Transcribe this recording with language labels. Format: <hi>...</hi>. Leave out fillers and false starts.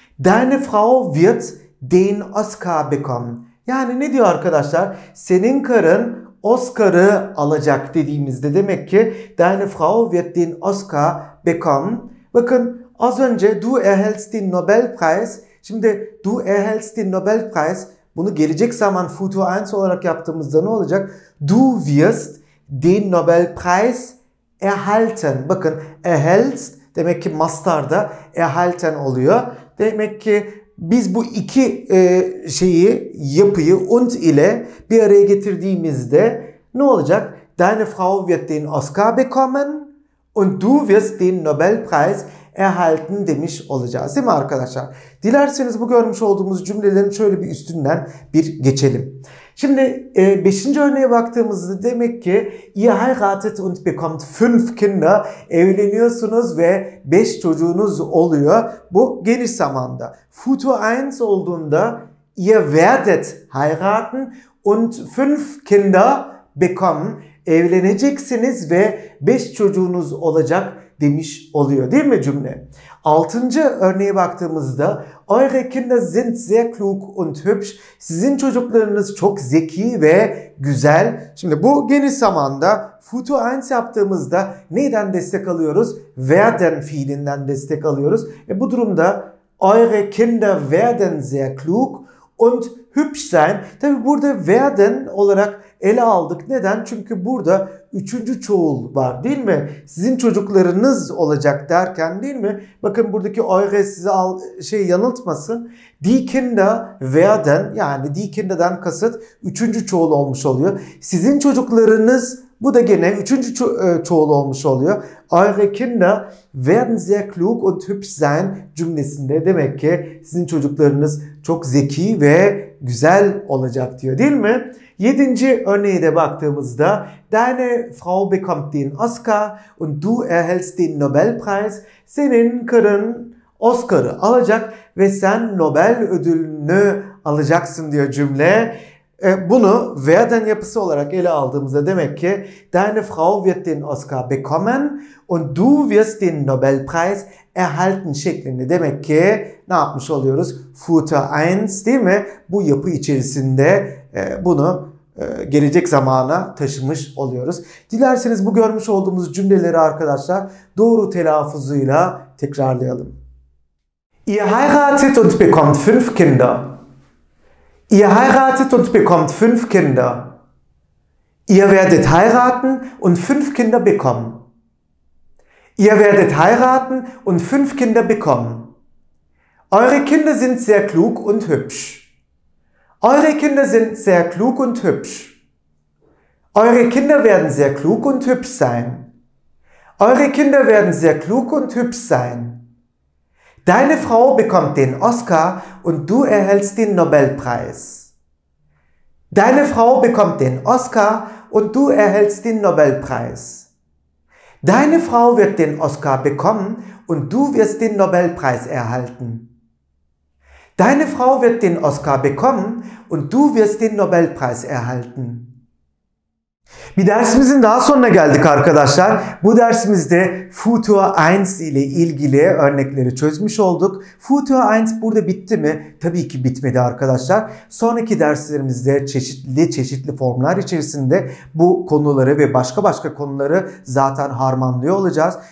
<de>Deine Frau wird den Oscar bekommen.</de> <tr>Yani ne diyor arkadaşlar? Senin karın Oscar'ı alacak dediğimizde demek ki</tr> <de>deine Frau wird den Oscar bekommen.</de> <tr>Bakın az önce</tr> <de>du erhältst den Nobelpreis. Şimdi du erhältst den Nobelpreis.</de> <tr>Bunu gelecek zaman Futur 1 olarak yaptığımızda ne olacak?</tr> <de>Du wirst den Nobelpreis erhalten.</de> <tr>Bakın erhältst demek ki mastarda erhalten oluyor. Demek ki biz bu iki şeyi, yapıyı und ile bir araya getirdiğimizde ne olacak?</tr> <de>Deine Frau wird den Oscar bekommen und du wirst den Nobelpreis erhalten</de> <tr>demiş olacağız. Değil mi arkadaşlar? Dilerseniz bu görmüş olduğumuz cümlelerin şöyle bir üstünden bir geçelim. Şimdi 5. örneğe baktığımızda demek ki</tr> <de>ihr heiratet und bekommt 5 Kinder,</de> <tr>evleniyorsunuz ve 5 çocuğunuz oluyor. Bu geniş zamanda. Futur 1 olduğunda</tr> <de>ihr werdet heiraten und 5 Kinder bekommen,</de> <tr>evleneceksiniz ve 5 çocuğunuz olacak demiş oluyor. Değil mi cümle? 6. örneğe baktığımızda</tr> <de>eure Kinder sind sehr klug und hübsch.</de> <tr>Sizin çocuklarınız çok zeki ve güzel. Şimdi bu geniş zamanda Futur 1 yaptığımızda neyden destek alıyoruz? Werden fiilinden destek alıyoruz. Bu durumda</tr> <de>eure Kinder werden sehr klug und hübsch sein.</de> <tr>Tabi burada werden olarak ele aldık. Neden? Çünkü burada üçüncü çoğul var değil mi? Sizin çocuklarınız olacak derken değil mi? Bakın buradaki eure sizi yanıltmasın.</tr> <de>Die Kinder werden,</de> <tr>yani die Kinder'dan kasıt üçüncü çoğul olmuş oluyor. Sizin çocuklarınız, bu da gene üçüncü çoğul olmuş oluyor.</tr> <de>Eure Kinder werden sehr klug und hübsch sein</de> <tr>cümlesinde demek ki sizin çocuklarınız çok zeki ve güzel olacak diyor değil mi? 7. örneğe de baktığımızda</tr> <de>deine Frau bekommt den Oscar und du erhältst den Nobelpreis.</de> <tr>Senin karın Oscar'ı alacak ve sen Nobel ödülünü alacaksın diyor cümle. Bunu werden yapısı olarak ele aldığımızda demek ki</tr> <de>deine Frau wird den Oscar bekommen und du wirst den Nobelpreis erhalten</de> <tr>şeklinde demek ki ne yapmış oluyoruz? Futur 1 değil mi? Bu yapı içerisinde bunu gelecek zamana taşımış oluyoruz. Dilerseniz bu görmüş olduğumuz cümleleri arkadaşlar doğru telaffuzuyla tekrarlayalım.</tr> <de>Ihr heiratet und bekommt 5 Kinder. Ihr heiratet und bekommt 5 Kinder. Ihr werdet heiraten und 5 Kinder bekommen. Ihr werdet heiraten und 5 Kinder bekommen. Eure Kinder sind sehr klug und hübsch. Eure Kinder sind sehr klug und hübsch. Eure Kinder werden sehr klug und hübsch sein. Eure Kinder werden sehr klug und hübsch sein. Deine Frau bekommt den Oscar und du erhältst den Nobelpreis. Deine Frau bekommt den Oscar und du erhältst den Nobelpreis. Deine Frau wird den Oscar bekommen und du wirst den Nobelpreis erhalten. Deine Frau wird den Oscar bekommen und du wirst den Nobelpreis erhalten.</de> <tr>Bir dersimizin daha sonuna geldik arkadaşlar. Bu dersimizde Futur 1 ile ilgili örnekleri çözmüş olduk. Futur 1 burada bitti mi? Tabii ki bitmedi arkadaşlar. Sonraki derslerimizde çeşitli formlar içerisinde bu konuları ve başka konuları zaten harmanlıyor olacağız.</tr>